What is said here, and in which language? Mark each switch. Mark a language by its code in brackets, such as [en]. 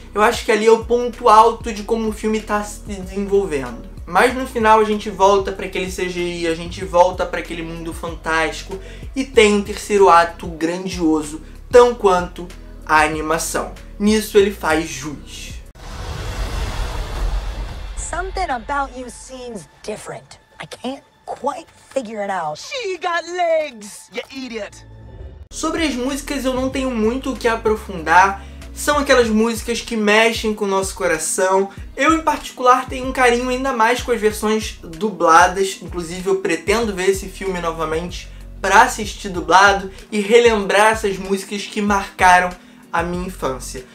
[pt] Eu acho que ali é o ponto alto de como o filme está se desenvolvendo. Mas no final a gente volta para aquele CGI, a gente volta para aquele mundo fantástico e tem um terceiro ato grandioso, tão quanto a animação. Nisso ele faz jus. [en] Something about you seems different. I can't quite figure it out. She got legs, you idiot. [pt] Sobre as músicas, eu não tenho muito o que aprofundar. São aquelas músicas que mexem com o nosso coração. Eu, em particular, tenho um carinho ainda mais com as versões dubladas. Inclusive, eu pretendo ver esse filme novamente para assistir dublado e relembrar essas músicas que marcaram a minha infância.